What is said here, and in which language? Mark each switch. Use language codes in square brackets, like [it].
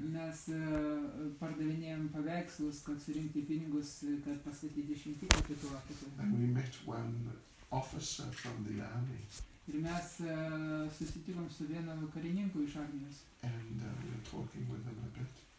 [lt] Mes pardavinėjom paveikslus, kad surinkti pinigus, kad pastatyti šventyklą Pietų Afrikoje. [en] And we met one officer from the army. [lt] Ir mes susitikom su vienu karininku iš armijos. [en] And we were talking with him a bit.